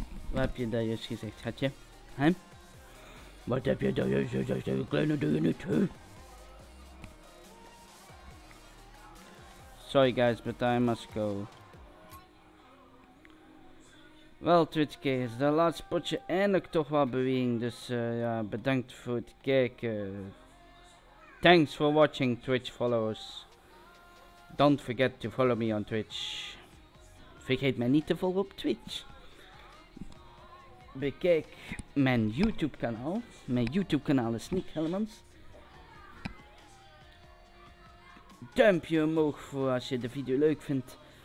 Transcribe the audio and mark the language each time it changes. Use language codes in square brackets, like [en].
[nl] Wat heb je daar juist gezegd, schatje? Hè? Wat heb je daar juist gezegd, je kleine doe je niet, hè? [en] Sorry guys, but I must go. [nl] Wel, Twitchkers, de laatste potje eindelijk toch wel beweging, dus ja, bedankt voor het kijken. [en] Thanks for watching, Twitch followers. Don't forget to follow me on Twitch. [nl] Vergeet mij niet te volgen op Twitch. Bekijk mijn YouTube kanaal. Mijn YouTube kanaal is Nick Hellemans. Duimpje omhoog voor als je de video leuk vindt.